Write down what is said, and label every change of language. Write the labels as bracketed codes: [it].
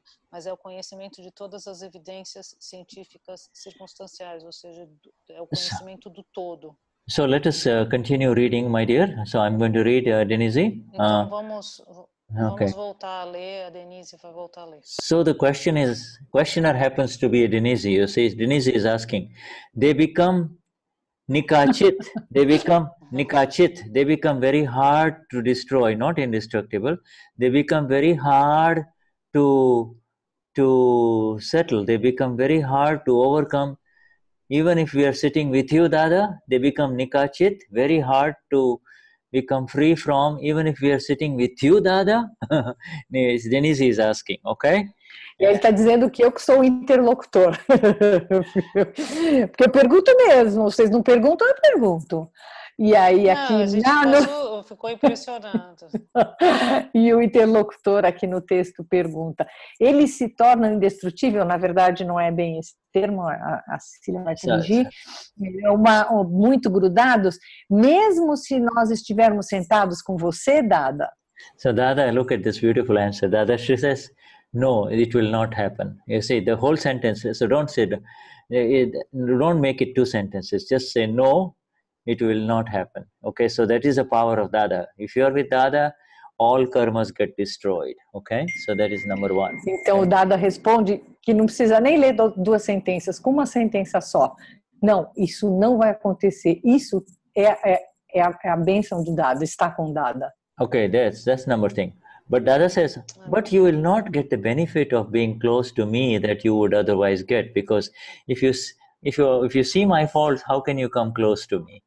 [pt] Mas é o conhecimento de todas as evidências científicas circunstanciais, ou seja, é o conhecimento do todo. [en] So let us continue reading, my dear. So I'm going to read, Denise. [pt] Então, vamos voltar a ler, a Denise vai voltar a ler. [en] So the question is, questioner happens to be a Denise, you see, Denise is asking, they become very hard to destroy, not indestructible, they become very hard to settle, they become very hard to overcome, even if we are sitting with you, Dada, they become nikachit, very hard to become free from, even if we are sitting with you, Dada? Denise is asking, okay? [pt] E ele está dizendo que eu que sou o interlocutor. Porque eu pergunto mesmo, vocês não perguntam, eu pergunto. E aí aqui... ficou impressionado. E o interlocutor aqui no texto pergunta, ele se torna indestrutível? Na verdade, não é bem esse termo, a Cecília vai corrigir. Muito grudados. Mesmo se nós estivermos sentados com você, Dada? [en] So, Dada, look at this beautiful answer. Dada, she says, no, it will not happen. You see, the whole sentence, so don't say, don't make it two sentences. Just say, no, it will not happen. Okay, so that is the power of Dada. If you are with Dada, all karmas get destroyed. Okay, so that is number one. [pt] Então, o Dada responde que não precisa nem ler duas sentenças, com uma sentença só. Não, isso não vai acontecer. Isso é a bênção do Dada, está com Dada. [en] Okay, that's number thing. But Dada says, but you will not get the benefit of being close to me that you would otherwise get, because if you see my faults, how can you come close to me?